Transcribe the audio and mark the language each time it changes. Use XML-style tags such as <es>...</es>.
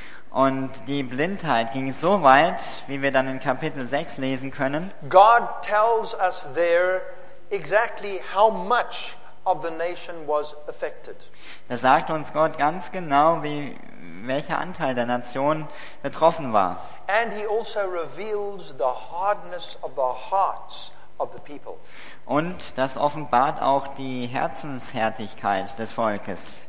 <de>Und die Blindheit ging so weit, wie wir dann in Kapitel 6 lesen können.</de> <en>God tells us there exactly how much of the nation was affected.</en> <de>Da sagt uns Gott ganz genau, wie welcher Anteil der Nation betroffen war.</de> <en>And he also reveals the hardness of the hearts of the people.</en> <de>Und das offenbart auch die Herzenshärtigkeit des Volkes.</de>